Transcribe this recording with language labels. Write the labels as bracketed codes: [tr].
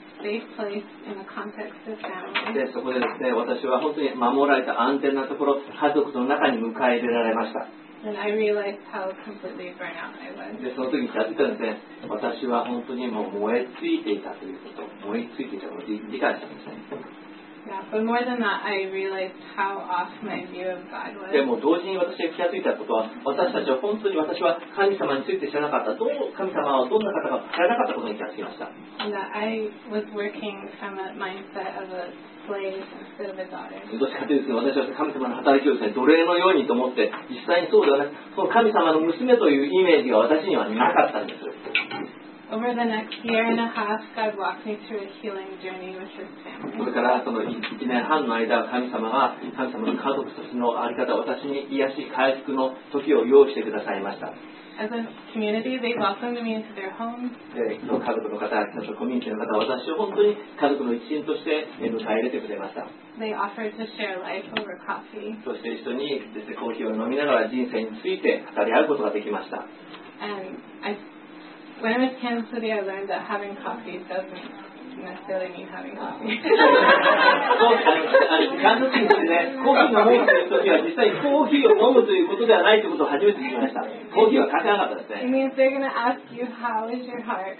[ja] でそこでですね、私は本当に守られた安全なところ、家族の中に迎え入れられました。でその時に気がついたんですね、私は本当にもう燃え尽きていたということ、燃え尽きていたことを理解したんですね。 [en] Yeah, but more than that, I realized how off my view of God was. [ja] でも同時に私が気がついたことは、私たちは本当に私は神様について知らなかった。どう神様はどんな方か知らなかったことに気がつきました。 [en] And that I was working from a mindset of a slave instead of a daughter. [ja] どっちかというと私は神様の働きをですね、奴隷のようにと思って、実際にそうではない。その神様の娘というイメージが私にはなかったんです。 [en] Over the next year and a half, God walked me through a healing journey with His family. [ja] それからその1年半の間、神様の家族としての在り方を私に癒し回復の時を用意してくださいました。 [en] As a community, they welcomed me into their homes. [ja] その家族の方、そのコミュニティの方、私を本当に家族の一員として迎え入れてくれました。 [en] They offered to share life over coffee. [ja] そして一緒にですね、コーヒーを飲みながら人生について語り合うことができました。 [en] When I was in Kansas City, I learned that having coffee doesn't necessarily mean having coffee. It means they're going to ask you, how is your heart?